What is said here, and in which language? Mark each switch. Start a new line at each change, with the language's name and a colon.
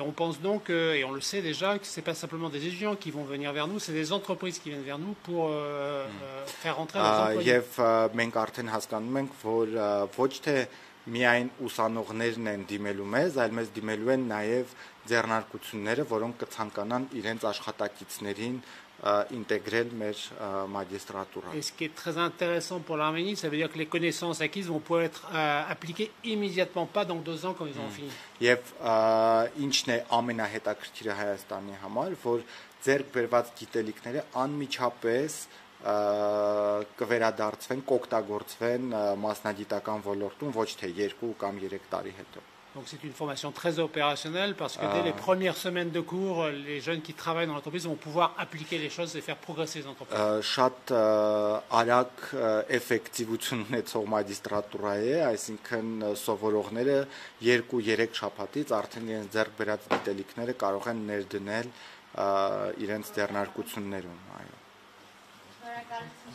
French: on pense donc, et on le sait déjà, que ce n'est pas simplement des étudiants qui vont venir vers nous, c'est des entreprises qui viennent vers nous pour faire rentrer leurs employés. Et nous avons déjà dit que
Armenian: միայն ուսանողներն են դիմելու մեզ, այլ մեզ դիմելու են նաև ձեռնարկությունները, որոնք կցանկանան իրենց աշխատակիցներին
French: intégrer mes magistrature. Et ce qui est très intéressant pour l'Arménie, ça veut dire que les connaissances acquises vont pouvoir être appliquées immédiatement, pas dans deux ans quand ils ont fini.
Armenian: Եվ ինչն է ամենահետաքրքիրը Հայաստանի համար, որ ձեր բերված գիտելիքները անմիջապես կվերադարձվեն, կօգտագործվեն մասնագիտական ոլորտում ոչ թե 2 կամ 3 տարի հետո.
French: Donc c'est une formation très opérationnelle parce que dès les premières semaines de cours, les jeunes qui travaillent dans l'entreprise vont pouvoir appliquer les choses et faire progresser les entreprises.
Armenian: Շատ արագ էֆեկտիվություն ունեցող մագիստրատուրա է, այսինքն սովորողները 2-3 շաբաթից արդեն իրենց ձեռք բերած գիտելիքները կարող են ներդնել իրենց ձեռնարկություններում, այո։